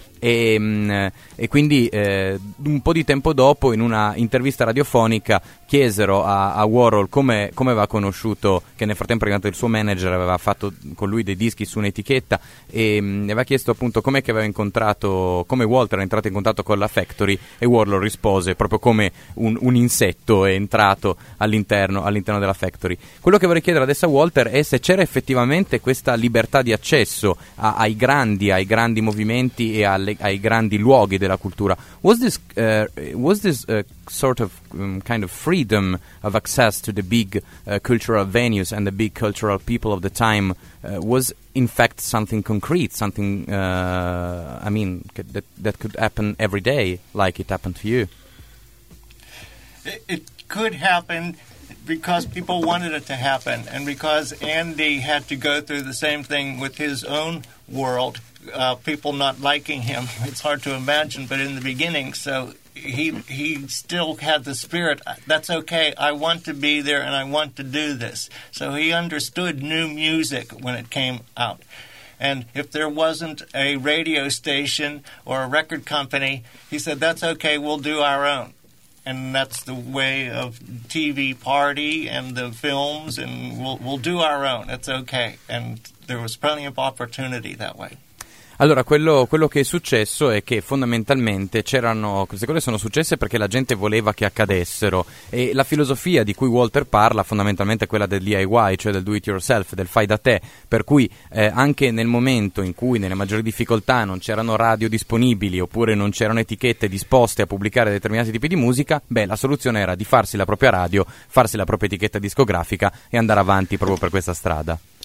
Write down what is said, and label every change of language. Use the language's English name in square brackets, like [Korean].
[Italian] E quindi un po' di tempo dopo, in una intervista radiofonica, chiesero a Warhol come aveva conosciuto, che nel frattempo era il suo manager, aveva fatto con lui dei dischi su un'etichetta, e aveva chiesto appunto com'è che aveva incontrato, come Walter era entrato in contatto con la Factory, e Warhol rispose proprio come un insetto è entrato all'interno della Factory. Quello che vorrei chiedere adesso a Walter è se c'era effettivamente questa libertà di accesso ai grandi movimenti e ai grandi luoghi della cultura. [English] Was this sort of kind of freedom of access to the big cultural venues and the big cultural people of the time was in fact something concrete, something that could happen every day like it happened to you? It could happen because people wanted it to happen, and because Andy had to go through the same thing with his own world, people not liking him. It's hard to imagine, but in the beginning, so he still had the spirit, that's okay, I want to be there and I want to do this. So he understood new music when it came out. And if there wasn't a radio station or a record company, he said, that's okay, we'll do our own. And that's the way of TV party and the films, and we'll do our own, it's okay. And there was plenty of opportunity that way. [Italian] Allora, quello che è successo è che fondamentalmente c'erano, queste cose sono successe perché la gente voleva che accadessero, e la filosofia di cui Walter parla fondamentalmente è quella del DIY, cioè del [English] do it yourself, [Italian] del fai da te, per cui anche nel momento in cui nelle maggiori difficoltà non c'erano radio disponibili oppure non c'erano etichette disposte a pubblicare determinati tipi di musica, beh, la soluzione era di farsi la propria radio, farsi la propria etichetta discografica e andare avanti proprio per questa strada.